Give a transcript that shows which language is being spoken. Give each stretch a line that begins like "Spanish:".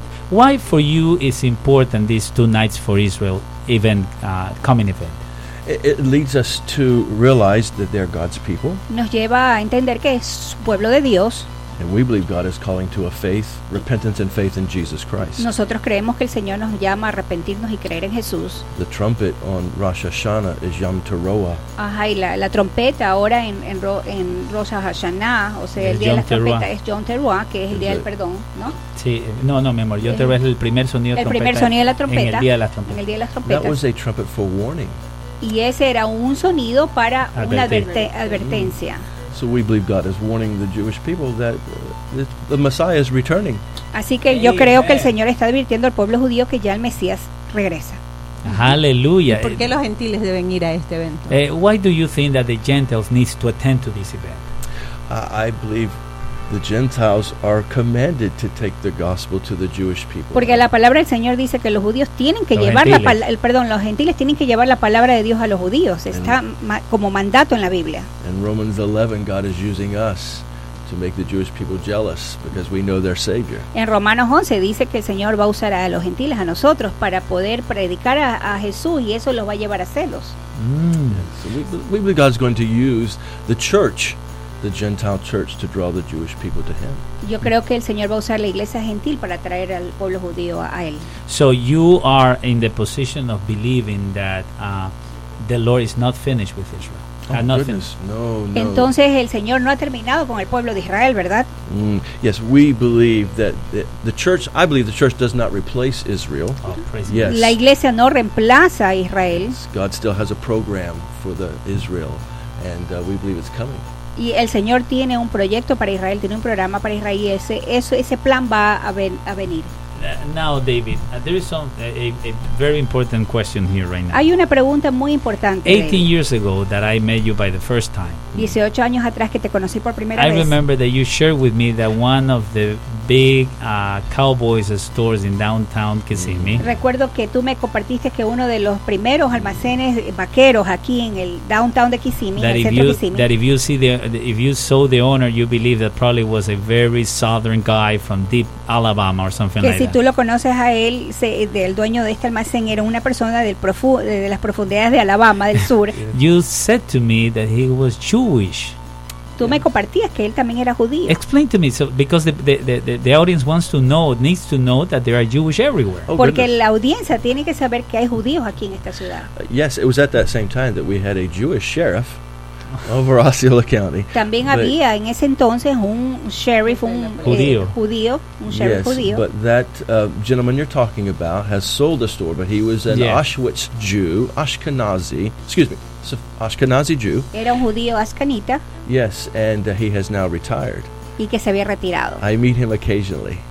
English: Why for you is important these two nights for Israel? Coming event. It leads us to realize that they're God's people.
Spanish: Nos lleva a entender que es pueblo de Dios.
English: And we believe God is calling to a faith, repentance and faith in Jesus Christ.
Spanish: Nosotros creemos que el Señor nos llama a arrepentirnos y creer en Jesús.
English: The trumpet on Rosh Hashanah is Yom Teruah.
Spanish: Ajá, y la trompeta ahora en Rosh Hashanah, o sea, el día Yom de la trompeta Teruah. Es Yom Teruah, que es el día del perdón, ¿no? Sí, no, mi amor, Yom Teruah es el primer sonido de trompeta. El primer sonido de la trompeta. En el día de las trompetas. En el día de las trompetas.
English: That was a trumpet for warning.
Spanish: Y ese era un sonido para una advertencia.
English: So we believe God is warning the Jewish people that the Messiah is returning.
Spanish: Así que yo creo que el Señor está advirtiendo al pueblo judío que ya el Mesías regresa.
English: Hallelujah.
Spanish: ¿Por qué los gentiles deben ir a este evento?
English: Why do you think that the Gentiles needs to attend to this event? I believe the Gentiles are commanded to take the gospel to the Jewish people.
Spanish: Porque la palabra del Señor dice que los judíos tienen que los gentiles tienen que llevar la palabra de Dios a los judíos. Está como mandato en la Biblia.
English: In Romans 11, God is using us to make the Jewish people jealous because we know their Savior.
Spanish: En Romanos 11 dice que el Señor va a usar a los gentiles, a nosotros, para poder predicar a Jesús, y eso los va a llevar a celos.
English: So we believe God's going to use the church, the Gentile church, to draw the Jewish people to Him.
Spanish: Yo creo que el Señor va a usar la iglesia gentil para traer al pueblo judío a él.
English: So you are in the position of believing that the Lord is not finished with Israel. No.
Spanish: Entonces el Señor no ha terminado con el pueblo de Israel, ¿verdad?
English: Yes, we believe that the church. I believe the church does not replace Israel. Oh, yes.
Spanish: La iglesia no reemplaza a Israel.
English: Yes. God still has a program for the Israel, and we believe it's coming.
Spanish: Y el Señor tiene un proyecto para Israel, tiene un programa para Israel, y ese plan va a venir.
English: Now, David, there is a very important question here right now.
Spanish: Hay una pregunta muy importante.
English: 18 years ago that I met you by the first time.
Spanish: 18 años atrás que te conocí por primera vez.
English: I remember that you shared with me that one of the big Cowboys stores in downtown Kissimmee.
Spanish: Recuerdo que tú me compartiste que uno de los primeros almacenes vaqueros aquí en el downtown de Kissimmee, en el centro de Kissimmee.
English: That if you saw the owner, you believe that probably was a very southern guy from deep Alabama or something like that.
Spanish: Que si tú lo conoces a él, el dueño de este almacén era una persona de las profundidades de Alabama, del sur.
English: You said to me that he was Jewish.
Spanish: Tú me compartías que él también era judío.
English: Explain to me, so because the audience wants to know, needs to know that there are Jewish everywhere.
Spanish: Oh, porque
English: goodness.
Spanish: La audiencia tiene que saber que hay judíos aquí en esta ciudad.
English: Yes, it was at that same time that we had a Jewish sheriff over Osceola County.
Spanish: También había en ese entonces un sheriff, judío.
English: But that gentleman you're talking about has sold the store, but he was an Auschwitz Jew, Ashkenazi Jew.
Spanish: Era un judío ascanita.
English: Yes, and he has now retired.
Spanish: Y que se había retirado.
English: I meet him occasionally.